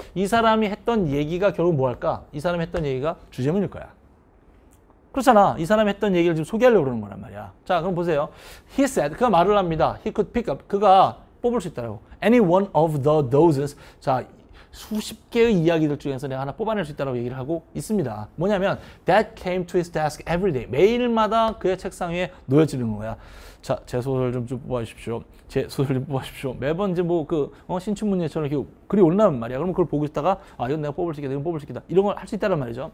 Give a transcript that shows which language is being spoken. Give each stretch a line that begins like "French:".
Korean: 이 사람이 했던 얘기가 결국 뭐 할까? 이 사람이 했던 얘기가 주제문일 거야. 그렇잖아. 이 사람이 했던 얘기를 지금 소개하려고 그러는 거란 말이야. 자, 그럼 보세요.
English: He said,
Korean: 그가 말을 합니다.
English: He could pick up.
Korean: 그가 뽑을 수 있다라고.
English: Any one of the doses.
Korean: 자, 수십 개의 이야기들 중에서 내가 하나 뽑아낼 수 있다라고 얘기를 하고 있습니다. 뭐냐면,
English: that came to his desk every day.
Korean: 매일마다 그의 책상 위에 놓여지는 거야. 자, 제 소설 좀 뽑아주십시오. 제 소설 좀 뽑아주십시오. 매번 이제 뭐 그, 신춘문예처럼 이렇게 글이 올라오면 말이야. 그러면 그걸 보고 있다가, 아, 이건 내가 뽑을 수 있겠다, 이건 뽑을 수 있겠다. 이런 걸 할 수 있다란 말이죠.